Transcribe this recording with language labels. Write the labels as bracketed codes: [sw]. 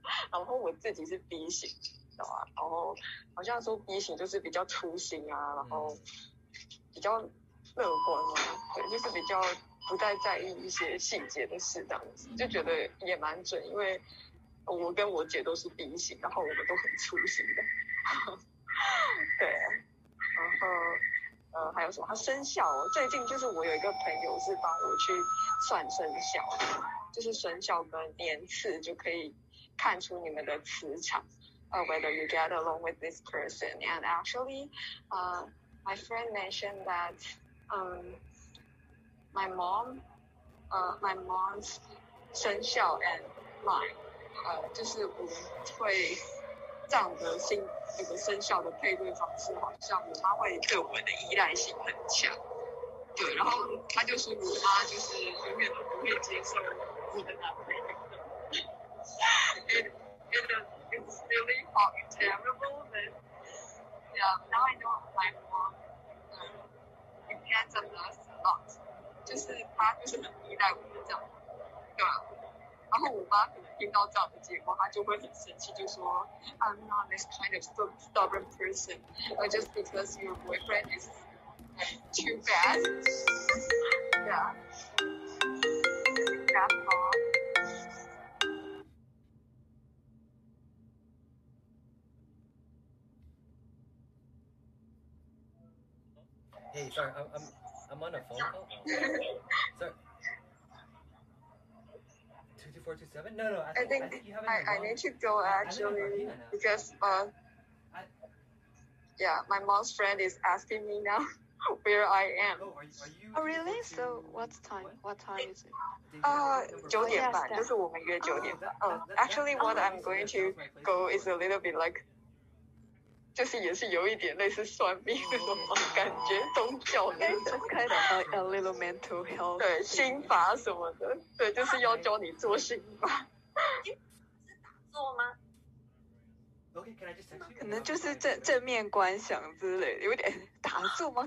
[zh] 然后我自己是 B 型的啊，然后好像说 B 型就是比较粗心啊，然后比较乐观啊，对，就是比较不太在意一些细节的事这样子，就觉得也蛮准，因为我跟我姐都是 B 型，然后我们都很粗心的，对，然后还有什么？生肖，最近就是我有一个朋友是帮我去算生肖，就是生肖跟年次就可以。看出你们的磁场， [en] whether you get along with this person. And actually, my friend mentioned that my mom's [zh] 生肖 and mine, 就是我们会这样的性那个生肖的配对方式，好像我妈会对我们的依赖性很强。对，然后她就说我妈就是永远都不会接受我的男朋友。 [en] It's really fucking terrible, but yeah, now I know my mom depends on us a lot. [zh] 就是她就是很依赖我们这样，对吧？然后我妈可能听到这样的结果，她就会很生气，就说 [en] I'm not this kind of stubborn person, but just because your boyfriend is too bad. Yeah. Hey, sorry, I'm on a phone call. Sorry. 22427? No, no, I think you have it. I need to go actually because, my mom's friend is asking me now where I am. Oh, are you really? So, what's time? What time is it? [zh] 9:30, 就是我们约9:30. [en] Actually, what I'm going to go is a little bit like. [zh] 就是也是有一点类似算命那种感觉，宗教那种。 [en] Kind of a little mental health. [zh] 对，心法什么的，对，就是要教你做心法。是打坐吗？可能就是正面观想之类的，有点打坐吗？